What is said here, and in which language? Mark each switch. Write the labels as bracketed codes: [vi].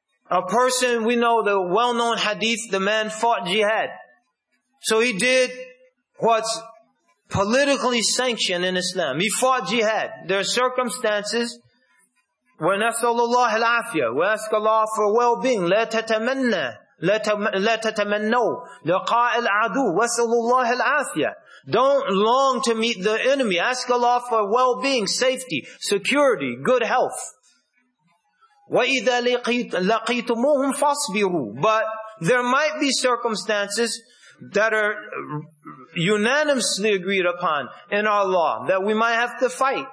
[en] A person, we know the well-known hadith, the man fought jihad. So he did what's politically sanctioned in Islam. He fought jihad. There are circumstances where [ar] nas'alullah al-afya. [en] We ask Allah for well-being. [ar] لا تتمنى لا تتمنوا لقاء العدو وسلالله العافية. [en] Don't long to meet the enemy. Ask Allah for well-being, safety, security, good health. [ar] وَإِذَا لَقِيتُمُوهُمْ فَاصْبِرُوا. [en] But there might be circumstances that are unanimously agreed upon in our law that we might have to fight.